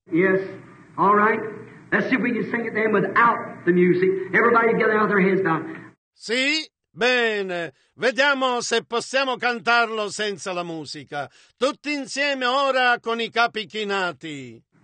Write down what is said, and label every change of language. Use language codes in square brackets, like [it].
[en] Yes, all right. Let's see if we can sing it then without the music. Everybody get out their heads down. [it] Sì? Bene, vediamo se possiamo cantarlo senza la musica. Tutti insieme ora con i capi chinati.